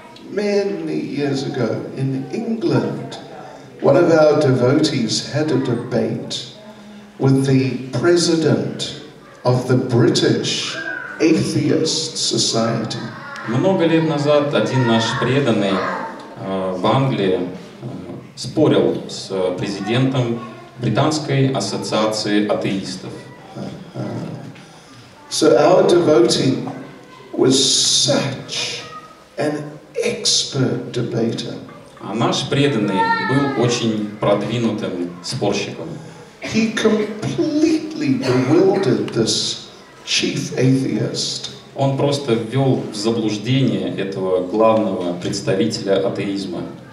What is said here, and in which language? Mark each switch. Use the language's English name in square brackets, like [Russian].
[English] Many years ago in England, one of our devotees had a debate with the president of the British Atheist Society. [Russian] Много лет назад один наш преданный в Англии спорил с президентом Британской ассоциации атеистов. [English] So our devotee was such an expert debater. [Russian] А наш преданный был очень продвинутым спорщиком. [English] He completely bewildered this chief atheist. [Russian] Он просто ввел в заблуждение этого главного представителя атеизма.